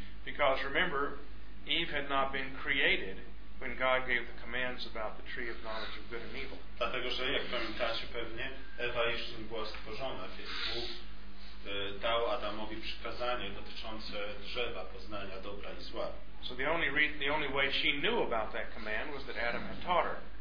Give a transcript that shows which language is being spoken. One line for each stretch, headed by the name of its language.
English: Because remember, Eve had not been created when God gave the commands about the tree of knowledge of good and evil.
Polish: Dlatego, że jak pamiętacie pewnie, Ewa jeszcze nie była stworzona, więc Bóg dał Adamowi przykazanie dotyczące drzewa poznania dobra i zła.
English: So the only way she knew about that command was that Adam had taught her.